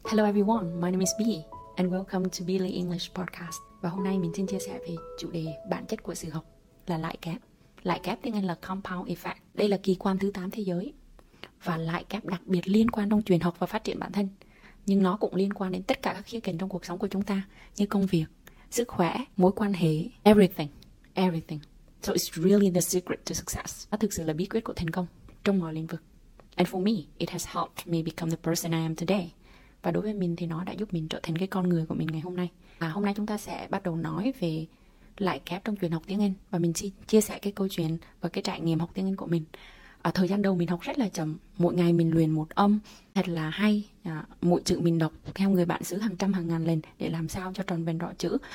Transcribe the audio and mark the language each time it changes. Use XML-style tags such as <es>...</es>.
<en>Hello everyone, my name is Bee and welcome to Billy English Podcast.</en> <vi>Và hôm nay mình xin chia sẻ về chủ đề bản chất của sự học là lãi kép. Lãi kép tiếng Anh là compound effect. Đây là kỳ quan thứ 8 thế giới. Và lãi kép đặc biệt liên quan trong truyền học và phát triển bản thân. Nhưng nó cũng liên quan đến tất cả các khía cạnh trong cuộc sống của chúng ta, như công việc, sức khỏe, mối quan hệ, everything.</vi> <en>So it's really the secret to success.</en> <vi>Nó thực sự là bí quyết của thành công trong mọi lĩnh vực.</vi> <en>And for me, it has helped me become the person I am today.</en> <vi>Và đối với mình thì nó đã giúp mình trở thành cái con người của mình ngày hôm nay. Và hôm nay chúng ta sẽ bắt đầu nói về lãi kép trong truyền học tiếng Anh. Và mình xin chia sẻ cái câu chuyện và cái trải nghiệm học tiếng Anh của mình. À, thời gian đầu mình học rất là chậm. Mỗi ngày mình luyện một âm thật là hay. À, mỗi chữ mình đọc theo người bạn xứ hàng trăm hàng ngàn lần để làm sao cho tròn vẹn rõ chữ.</vi>